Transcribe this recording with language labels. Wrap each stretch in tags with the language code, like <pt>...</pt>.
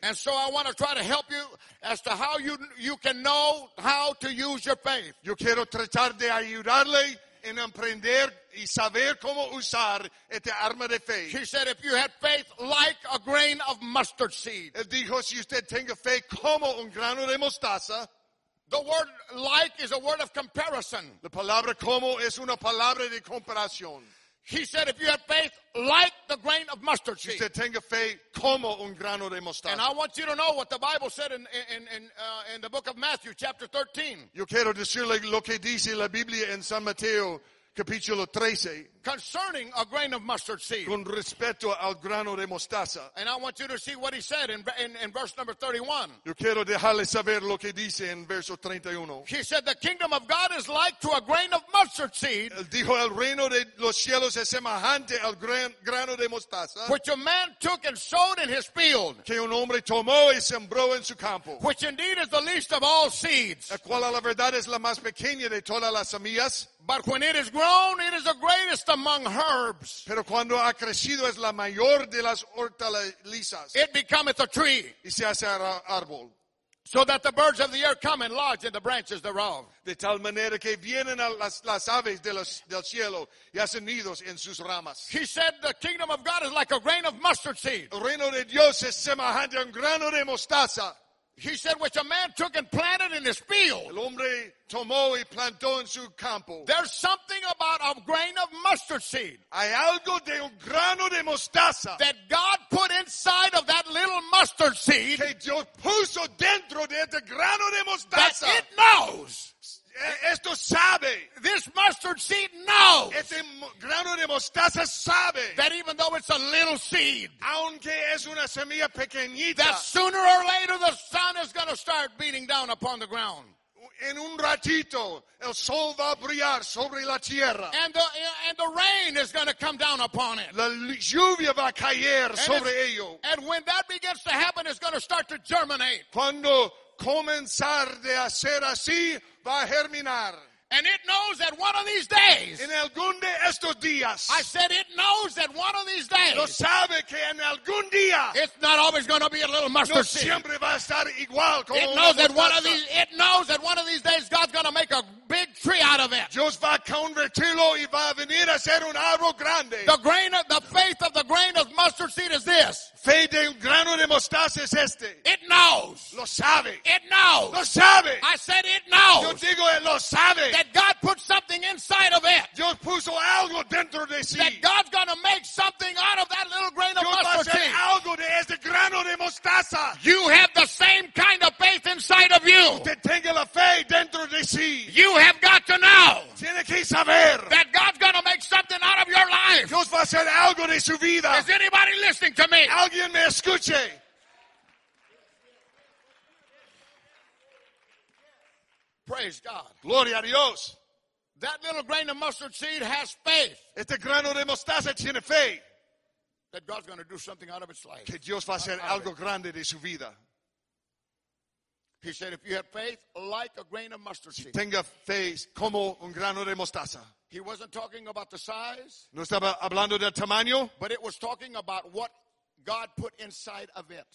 <en>And so I want to try to help you as to how you can know how to use your faith.</en> <es>Yo quiero tratar de ayudarle en emprender y saber cómo usar este arma de fe.</es> <en>He said, if you had faith like a grain of mustard seed.</en> <es>Él dijo, si usted tenga fe como un grano de mostaza.</es> <en>The word like is a word of comparison.</en> <es>La palabra como es una palabra de comparación.</es> <en>He said, if you had faith like the grain of mustard seed.</en> <es>Si usted tenga fe como un grano de mostaza.</es> <en>And I want you to know what the Bible said in the book of Matthew, chapter 13.</en> <es>Yo quiero decirle lo que dice la Biblia en San Mateo. Capítulo 13.</es> <en>Concerning a grain of mustard seed.</en> <es>Con respecto al grano de mostaza.</es> <en>And I want you to see what he said in verse number 31.</en> <es>Yo quiero dejarle saber lo que dice en verso 31.</es> <en>He said, the kingdom of God is like to a grain of mustard seed.</en> <es>Él dijo, el reino de los cielos es semejante al grano de mostaza.</es> <en>Which a man took and sowed in his field.</en> <es>Que un hombre tomó y sembró en su campo.</es> <en>Which indeed is the least of all seeds.</en> <es>La cual a la verdad es la más pequeña de todas las semillas.</es> <en>But when it is grown, it is the greatest among herbs.</en> <es>Pero cuando ha crecido es la mayor de las hortalizas.</es> <en>It becometh a tree.</en> <es>Y se hace árbol.</es> <en>So that the birds of the air come and lodge in the branches thereof.</en> <es>De tal manera que vienen las aves del cielo y hacen nidos en sus ramas.</es> <en>He said the kingdom of God is like a grain of mustard seed.</en> <es>El reino de Dios es semejante a un grano de mostaza.</es> <en>He said, which a man took and planted in his field.</en> <es>El hombre tomó y plantó en su campo.</es> <en>There's something about about a grain of mustard seed.</en> <es>Hay algo de un grano de mostaza.</es> <en>That God put inside of that little mustard seed.</en> <es>Que Dios puso dentro de este grano de mostaza.</es> <en>That it knows.</en> <es>Esto sabe.</es> <en>This mustard seed knows.</en> <es>Este grano de mostaza sabe.</es> <en>That even though it's a little seed.</en> <es>Aunque es una semilla pequeñita.</es> <en>That sooner or later the sun is going to start beating down upon the ground.</en> <es>En un ratito, el sol va a brillar sobre la tierra.</es> <en>And the rain is going to come down upon it.</en> <es>La lluvia va a caer sobre ello.</es> <en>And when that begins to happen, it's going to start to germinate.</en> <es>Cuando comenzar de hacer así, va a germinar.</es> <en>And it knows that one of these days.</en> <es>En algún de estos días.</es> <en>I said it knows that one of these days.</en> <es>Lo sabe que en algún día.</es> <en>It's not always going to be a little mustard seed.</en> <es>No siempre va a estar igual como</es> <en>it knows that one of these. It knows that one of these days God's going to make a big tree out of it.</en> <es>Dios va a convertirlo y va a venir a ser un árbol grande.</es> <en>The faith of the grain of mustard seed is this.</en> <es>Fe de un grano de mostaza es este.</es> <en>It knows.</en> <es>Lo sabe.</es> <en>It knows.</en> <es>Lo sabe.</es> <en>I said it knows.</en> <es>Yo digo él lo sabe.</es> <en>That God put something inside of it.</en> <es>Dios puso algo dentro de sí.</es> <en>That God's going to make something out of that little grain of mustard seed.</en> <es>Dios va a hacer algo de este grano de mostaza.</es> <en>You have the same kind of faith inside of you.</en> <es>Usted tenga la fe dentro de sí.</es> <en>You have got to know.</en> <es>Tiene que saber.</es> <en>That God's going to make something out of your life.</en> <es>Dios va a hacer algo de su vida.</es> <en>Is anybody listening to me?</en> <es>Alguien me escuche.</es> <en>Praise God.</en> <es>Gloria a Dios.</es> <en>That little grain of mustard seed has faith.</en> <es>Este grano de mostaza tiene fe.</es> <en>That God's going to do something out of its life.</en> <es>Que Dios va a hacer algo grande de su vida.</es> <en>He said, if you have faith like a grain of mustard seed.</en> <es>Si tenga fe como un grano de mostaza.</es> <en>He wasn't talking about the size.</en> <es>No estaba hablando del tamaño.</es> <en>But it was talking about what God put inside of it.</en>